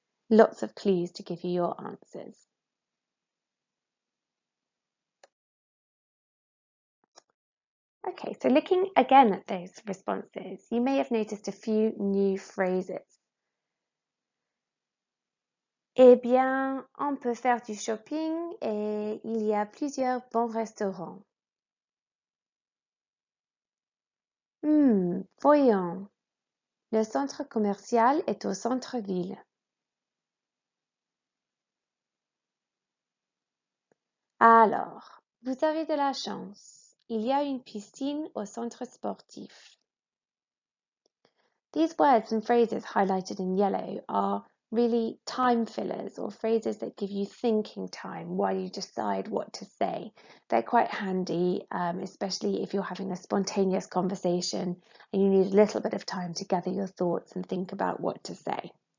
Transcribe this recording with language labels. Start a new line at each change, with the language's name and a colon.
English: Lots of clues to give you your answers. Okay, so looking again at those responses, you may have noticed a few new phrases.
French: Eh bien, on peut faire du shopping et il y a plusieurs bons restaurants. Voyons. Le centre commercial est au centre-ville. Alors, vous avez de la chance. Il y a une piscine au centre sportif.
English: These words and phrases highlighted in yellow are really time fillers or phrases that give you thinking time while you decide what to say. They're quite handy, especially if you're having a spontaneous conversation and you need a little bit of time to gather your thoughts and think about what to say.